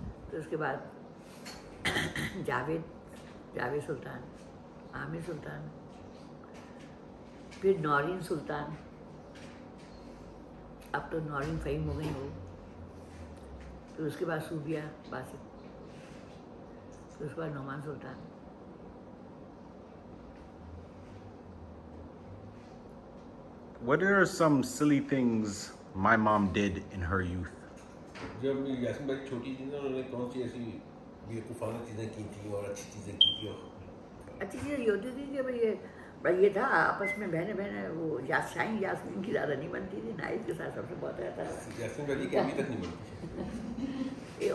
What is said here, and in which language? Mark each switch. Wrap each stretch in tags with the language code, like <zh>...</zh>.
<hi>तो उसके बाद जावेद सुल्तान, आमिर सुल्तान, फिर नौरीन सुल्तान, अब तो नौरीन फहीम हो गई हो, फिर उसके बाद सूबिया बासित, फिर उसके बाद नौमान सुल्तान,</hi> <en>What are some silly things my mom did in her youth?</en> <hi>जब यासमीन भाई छोटी थी ना, उन्होंने कौन सी ऐसी बेवकूफ़ाना चीज़ें की थी और अच्छी चीज़ें की थी? अच्छी चीज़ें ये होती थी कि भाई ये था आपस में बहने वो यासमीन यासमीन की ज़्यादा नहीं बनती थी, नाइज के साथ सबसे बहुत रहता था। यासमीन भाई की अभी तक नहीं बनती</hi>